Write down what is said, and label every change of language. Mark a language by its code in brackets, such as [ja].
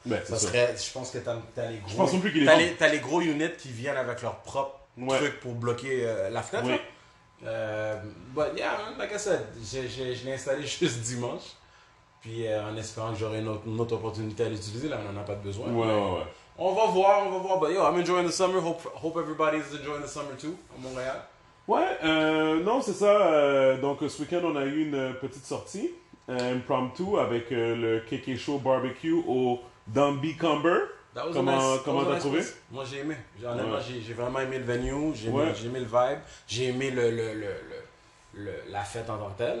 [fr] Je pense que t'as les gros units qui viennent avec leur propre truc pour bloquer la fenêtre. Oui. Je l'ai installé juste dimanche, puis en espérant que j'aurai une autre opportunité à l'utiliser. Là, on en a pas besoin. Ouais. On va voir, [en] but yo, I'm enjoying the summer, hope everybody is enjoying the summer too, [fr] à Montréal. Ouais, non, c'est ça, donc ce week-end, on a eu une petite sortie, impromptu, avec le KK Show Barbecue au Dumby Cumber. Comment t'as trouvé? Moi, j'ai aimé, j'ai vraiment aimé le venue, j'ai aimé le vibe, j'ai aimé le la fête en tant que telle.